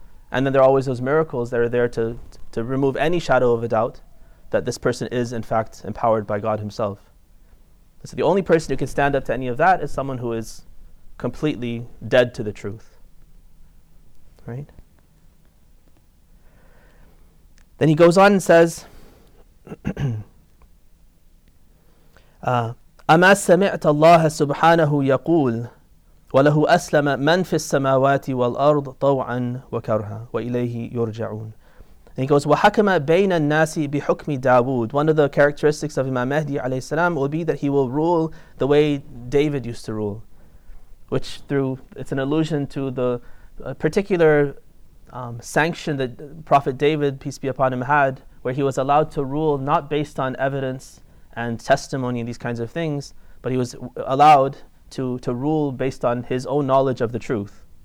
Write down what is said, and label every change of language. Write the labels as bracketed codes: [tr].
[en] And then there are always those miracles that are there to remove any shadow of a doubt that this person is in fact empowered by God himself. So the only person who can stand up to any of that is someone who is completely dead to the truth. Right? Then he goes on and says, [ar] أَمَا سَمِعْتَ اللَّهَ سُبْحَانَهُ يَقُولُ وَلَهُ أَسْلَمَ مَنْ فِي السَّمَاوَاتِ وَالْأَرْضِ طَوْعًا وَكَرْهًا وَإِلَيْهِ يُرْجَعُونَ. [en] And he goes, [ar] وَحَكَمَ بَيْنَ النَّاسِ بِحُكْمِ دَاوُودِ. [en] One of the characteristics of Imam Mahdi alayhi salam will be that he will rule the way David used to rule, which it's an allusion to the particular sanction that Prophet David, peace be upon him, had, where he was allowed to rule not based on evidence and testimony and these kinds of things, but he was allowed to rule based on his own knowledge of the truth.